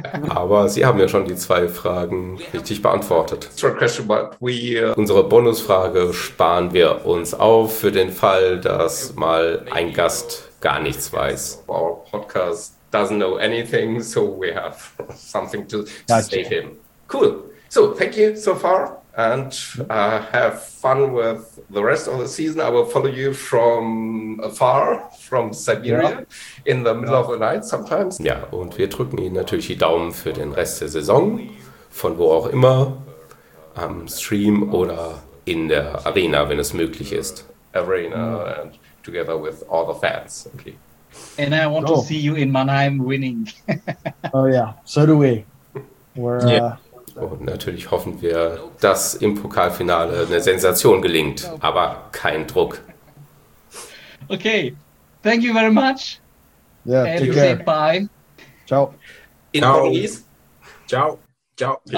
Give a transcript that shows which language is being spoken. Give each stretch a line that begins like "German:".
German: Aber sie haben ja schon die zwei Fragen richtig beantwortet. Unsere Bonusfrage sparen wir uns auf für den Fall, dass mal ein Gast gar nichts weiß.
English: Our podcast doesn't know anything, so we have something to save him. Cool. So, thank you so far. And have fun with the rest of the season. I will follow you from afar, from Siberia, in the middle of the night sometimes.
German: Ja, und wir drücken Ihnen natürlich die Daumen für den Rest der Saison, von wo auch immer, am Stream oder in der Arena, wenn es möglich ist.
English: Arena and together with all the fans. Okay. And I want to see you in Mannheim winning. Oh yeah, so do we.
German: Und natürlich hoffen wir, dass im Pokalfinale eine Sensation gelingt, aber kein Druck.
English: Okay. Thank you very much. Yeah, and take care. Say bye.
Italian: Ciao.
English: In Portuguese.
Italian: Ciao. Ciao.